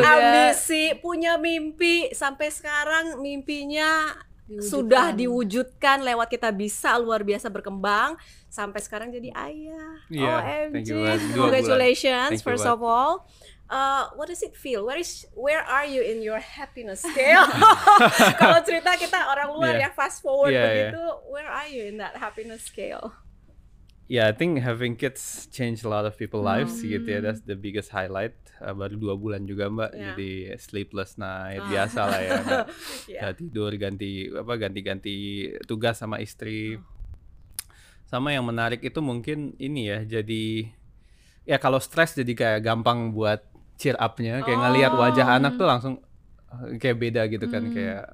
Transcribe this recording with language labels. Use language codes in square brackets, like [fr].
[id] berambisi, punya mimpi, sampai sekarang mimpinya sudah diwujudkan lewat Kita Bisa, luar biasa berkembang sampai sekarang jadi ayah. [en] Yeah, OMG. Congratulations first of all. What does it feel? Where are you in your happiness scale? [id] Kalau cerita kita orang luar ya, [en] fast forward begitu. Yeah. Where are you in that happiness scale? Yeah, I think having kids change a lot of people's lives. Gitu ya, that's the biggest highlight. [id] Baru 2 bulan juga Mbak, yeah. Jadi sleepless night biasa lah ya. Yeah. Tidur ganti-ganti tugas sama istri. Sama yang menarik itu mungkin ini ya, jadi ya kalau stres jadi kayak gampang buat cheer up-nya, kayak ngelihat wajah anak tuh langsung kayak beda gitu kan, kayak